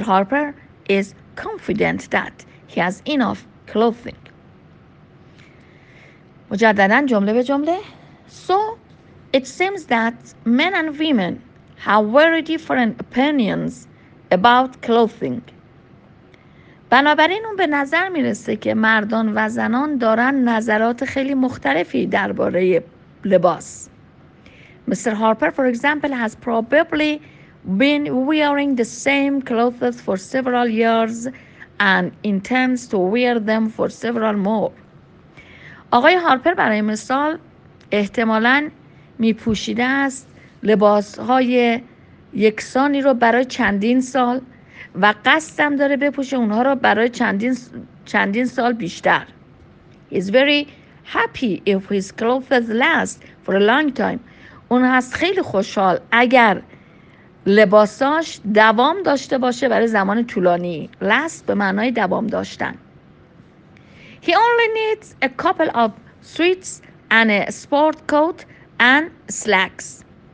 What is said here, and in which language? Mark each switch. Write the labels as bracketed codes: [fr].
[en] Harper is confident that he has enough clothing. [fa] مجدداً جمله به جمله. [en] So, it seems that men and women have very different opinions about clothing. [fa] بنابراین اون به نظر میرسه که مردان و زنان دارن نظرات خیلی مختلفی درباره لباس. [en] Mr. Harper, for example, has probably been wearing the same clothes for several years and intends to wear them for several more. [fa] آقای هارپر برای مثال احتمالاً میپوشیده است لباس‌های یکسانی رو برای چندین سال و قصد هم داره بپوشه اونها رو برای چندین سال بیشتر. [en] He's very happy if his clothes last for a long time. [fa] اون هست خیلی خوشحال اگر لباساش دوام داشته باشه برای زمان طولانی. Last به معنای دوام داشتن. [en] He only needs a couple of sweats and a sport coat and slacks.